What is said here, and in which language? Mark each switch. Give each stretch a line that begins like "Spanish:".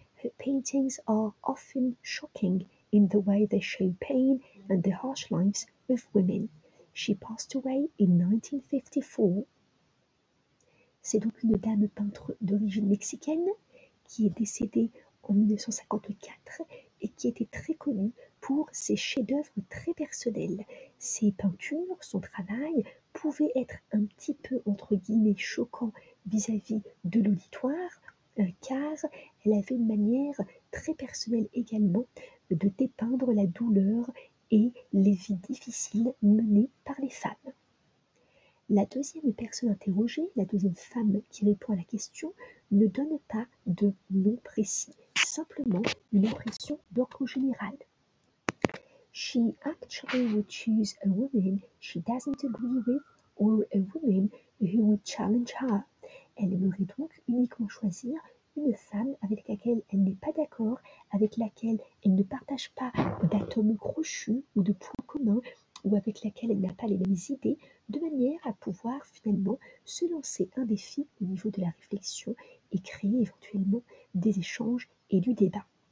English: Her paintings are often shocking in the way they show pain and the harsh lives of women. She passed away in 1954.
French: C'est donc une dame peintre d'origine mexicaine qui est décédée en 1954 et qui était très connue pour ses chefs-d'œuvre très personnels. Ses peintures, son travail pouvaient être un petit peu entre guillemets choquants vis-à-vis de l'auditoire, car elle avait une manière très personnelle également de dépeindre la douleur et les vies difficiles menées par les femmes. La deuxième personne interrogée, la deuxième femme qui répond à la question, ne donne pas de nom précis, simplement une impression d'ordre général.
English: She actually would choose a woman she doesn't agree with or a woman who would challenge her.
French: Elle aimerait donc uniquement choisir une femme avec laquelle elle n'est pas d'accord, avec laquelle elle ne partage pas d'atomes crochus ou de points communs, ou avec laquelle elle n'a pas les mêmes idées, de manière à pouvoir finalement se lancer un défi au niveau de la réflexion et créer éventuellement des échanges et du débat.